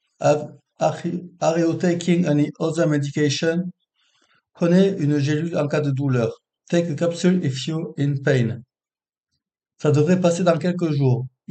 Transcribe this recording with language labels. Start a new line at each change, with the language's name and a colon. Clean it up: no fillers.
English: Are you taking any other medication?
French: Prenez une gélule en cas de douleur.
English: Take a capsule if you're in pain.
French: Ça devrait passer dans quelques jours.